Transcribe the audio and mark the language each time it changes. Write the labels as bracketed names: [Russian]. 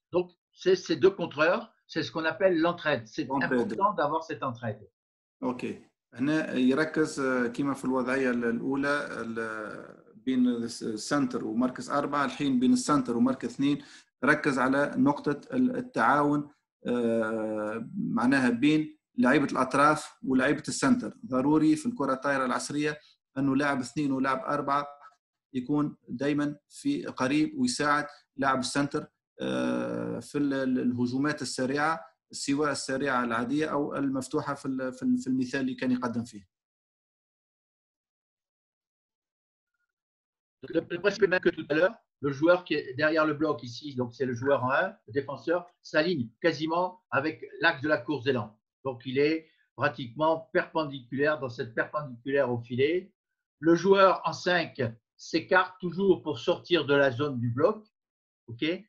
[French] Donc, c'est ces deux contreurs. C'est ce qu'on appelle l'entraide. C'est important d'avoir cette entraide. OK. [Arabic] هنا يركز كما في الوضعية الأولى بين السنتر ومركز 4، الحين بين السنتر ومركز 2 ركز على نقطة التعاون، معناها بين لعيبة الأطراف ولعيبة السنتر. ضروري في الكرة الطائرة العصرية أنه لاعب 2 ولاعب 4 يكون دائما في قريب ويساعد لاعب السنتر في الهجومات السريعة، سواء السريعة العادية أو المفتوحة في المثال اللي كان يقدم فيه. [French] Le principe même que tout à l'heure, le joueur qui est derrière le bloc ici, donc c'est le joueur en 1, le défenseur, s'aligne quasiment avec l'axe de la course d'élan. Donc il est pratiquement perpendiculaire dans cette perpendiculaire au filet. Le joueur en 5 s'écarte toujours pour sortir de la zone du bloc. OK?